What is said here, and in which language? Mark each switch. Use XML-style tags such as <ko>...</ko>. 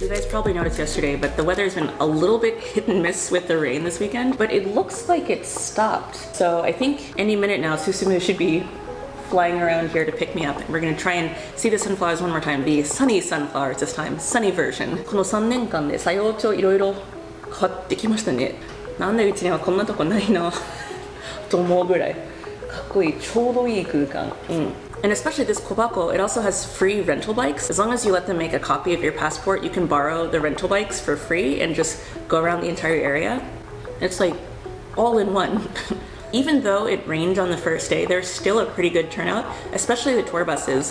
<en>Probably noticed yesterday, but the weather has been a little bit hit and miss with the rain this weekend, but it looks like it stopped. So I think any minute now, Susumu should be flying around here to pick me up. And we're gonna try and see the sunflowers one more time, the sunny sunflowers this time, sunny version.</en> <ja>この3年間で最後といろいろ変わってきましたね。なんでうちにはこんなとこないのと思うぐらいかっこいい、ちょうどいい空間。うん。</ja> <en>And especially this kobako, it also has free rental bikes. As long as you let them make a copy of your passport, you can borrow the rental bikes for free and just go around the entire area. It's like all in one. Even though it rained on the first day, there's still a pretty good turnout, especially the tour buses.</en>